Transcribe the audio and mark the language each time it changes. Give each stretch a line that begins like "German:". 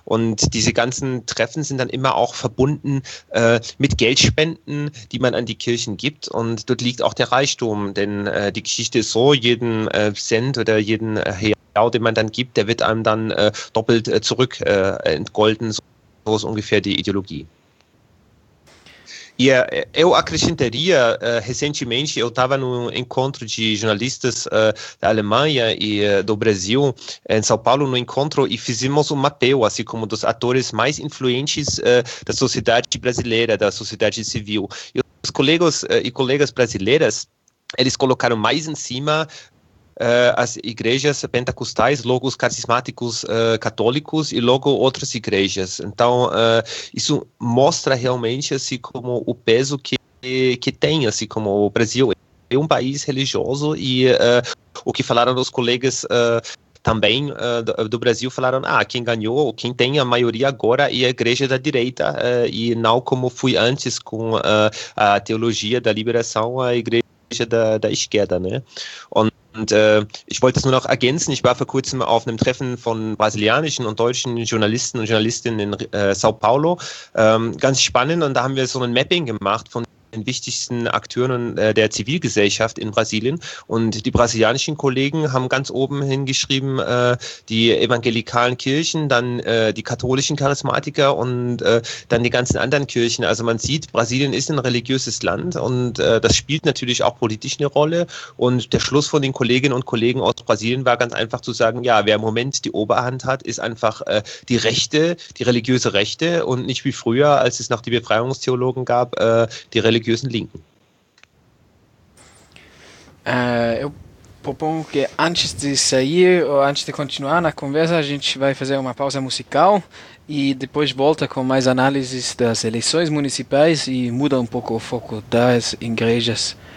German: Und diese ganzen Treffen sind dann immer auch verbunden mit Geldspenden, die man an die Kirchen gibt. Und dort liegt auch der Reichtum, denn die Geschichte ist so, jeden Cent oder jeden Real, den man dann gibt, der wird einem dann doppelt zurück entgolten. So ist ungefähr die Ideologie.
Portuguese: E eu acrescentaria, recentemente eu estava num encontro de jornalistas da Alemanha e do Brasil, em São Paulo, no encontro, e fizemos um mapeio, assim como dos atores mais influentes da sociedade brasileira, da sociedade civil. E os colegas e colegas brasileiras, eles colocaram mais em cima as igrejas pentecostais, logo os carismáticos católicos e logo outras igrejas. Então, isso mostra realmente assim, como o peso que tem, assim como o Brasil é um país religioso e o que falaram os colegas também do Brasil, falaram, quem ganhou, quem tem a maioria agora é a igreja da direita e não como fui antes com a teologia da liberação, a igreja da esquerda, né?
German: Und ich wollte es nur noch ergänzen, ich war vor kurzem auf einem Treffen von brasilianischen und deutschen Journalisten und Journalistinnen in Sao Paulo, ganz spannend, und da haben wir so ein Mapping gemacht von den wichtigsten Akteuren der Zivilgesellschaft in Brasilien, und die brasilianischen Kollegen haben ganz oben hingeschrieben die evangelikalen Kirchen, dann die katholischen Charismatiker und dann die ganzen anderen Kirchen. Also man sieht, Brasilien ist ein religiöses Land und das spielt natürlich auch politisch eine Rolle, und der Schluss von den Kolleginnen und Kollegen aus Brasilien war ganz einfach zu sagen, ja, wer im Moment die Oberhand hat, ist einfach die Rechte, die religiöse Rechte, und nicht wie früher, als es noch die Befreiungstheologen gab, die religiösen Linken.
Portuguese: Eu proponho que antes de sair, ou antes de continuar na conversa, a gente vai fazer uma pausa musical e depois volta com mais análises das eleições municipais e muda um pouco o foco das igrejas